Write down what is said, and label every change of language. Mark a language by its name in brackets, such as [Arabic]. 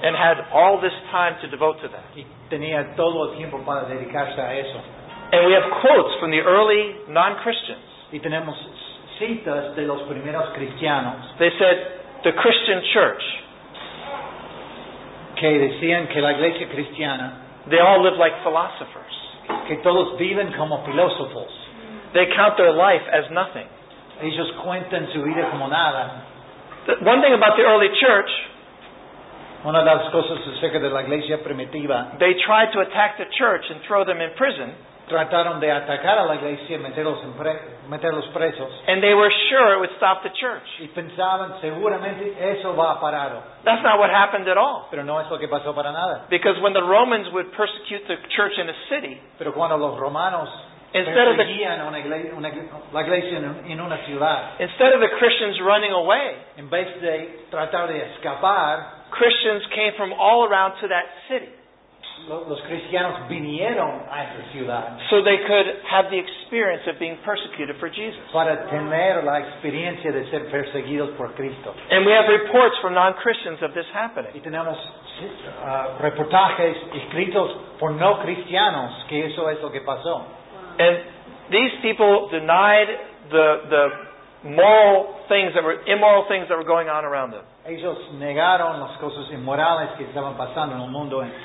[English] And had all this time to devote to that. [Spanish] Y tenía todo el tiempo para dedicarse a eso. [English] And we have quotes from the early non-Christians. [Spanish] Y tenemos citas de los primeros cristianos. [English] They said, the Christian church. [Spanish] Que decían que la iglesia cristiana. [English] They all live like philosophers. [Spanish] Que todos viven como filósofos. [English] They count their life as nothing. [Spanish] Ellos cuentan su vida como nada. [English] One thing about the early church. [Spanish] Una de las cosas acerca de la iglesia primitiva. [English] They tried to attack the church and throw them in prison. [Spanish] Trataron de atacar a la iglesia y meterlos presos. [English] And they were sure it would stop the church. [Spanish] Y pensaban, seguramente eso va a parar. [English] That's not what happened at all. [Spanish] Pero no es lo que pasó para nada. [English] Because when the Romans would persecute the church in a city, [Spanish] pero cuando los romanos perseguían la iglesia en una ciudad, [English] instead of the Christians running away, [Spanish] en vez de tratar de escapar, [English] Christians came from all around to that city. [Spanish] Los cristianos vinieron a esa ciudad. [English] So they could have the experience of being persecuted for Jesus. [Spanish] Para tener la experiencia de ser perseguidos por Cristo. [English] And we have reports from non-Christians of this happening. [Spanish] Y tenemos reportajes escritos por no cristianos que eso es lo que pasó. [English] And these people denied the moral things that were immoral things that were going on around them. [Spanish] Ellos negaron las cosas inmorales que estaban pasando en el mundo.